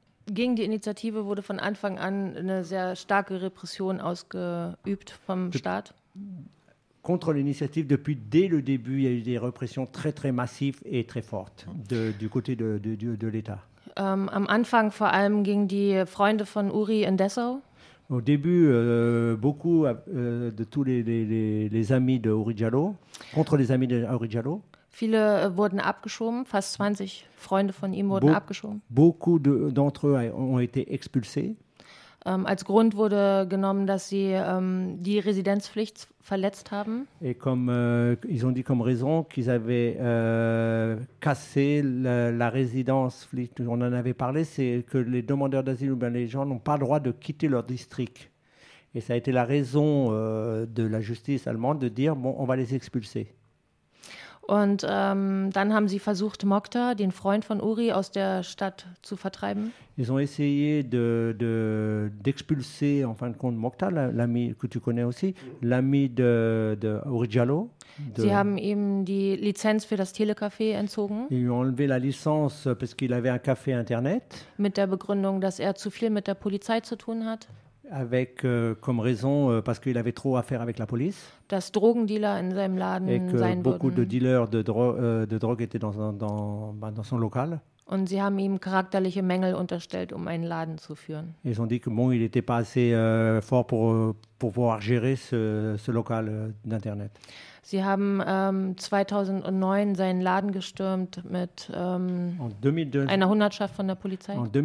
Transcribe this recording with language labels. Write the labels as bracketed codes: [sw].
[de] Gegen die Initiative wurde von Anfang an eine sehr starke Repression ausgeübt vom Staat. [fr] Contre l'initiative, depuis dès le début, il y a eu des répressions très, très massives et très fortes du côté de l'État. [de] Am Anfang vor allem gegen die Freunde von Uri in Dessau. [fr] Au début, beaucoup de tous les amis de Uri Jalloh, contre les amis de Uri Jalloh. [de] Viele wurden abgeschoben, fast 20 Freunde von ihm wurden abgeschoben. [fr] Beaucoup d'entre eux ont été expulsés. [de] Als Grund wurde genommen, dass sie die Residenzpflicht verletzt haben. [fr] Et comme ils ont dit comme raison qu'ils avaient cassé la résidencepflicht. On en avait parlé, c'est que les demandeurs d'asile ou bien les gens n'ont pas le droit de quitter leur district. Et ça a été la raison de la justice allemande de dire bon, on va les expulser. [de] Und dann haben sie versucht, Mokhtar, den Freund von Uri, aus der Stadt zu vertreiben. [fr] Ils ont essayé d'expulser, en fin de compte, Mokhtar, l'ami que tu connais aussi, l'ami de Uri Jalloh. [de] Sie haben ihm die Lizenz für das Telecafé entzogen. [fr] Ils lui ont enlevé la licence parce qu'il avait un café internet. [de] Mit der Begründung, dass er zu viel mit der Polizei zu tun hat. [fr] Avec comme raison parce qu'il avait trop à faire avec la police. [de] Dass Drogendealer in seinem Laden sein würden. [fr] Et que beaucoup de dealers de drogue étaient dans son local. [de] Und sie haben ihm charakterliche Mängel unterstellt, um einen Laden zu führen. [fr] Ils ont dit que bon, il n'était pas assez fort pour pouvoir gérer ce local d'internet. [de] Sie haben 2009 seinen Laden gestürmt mit 2002, einer Hundertschaft von der Polizei.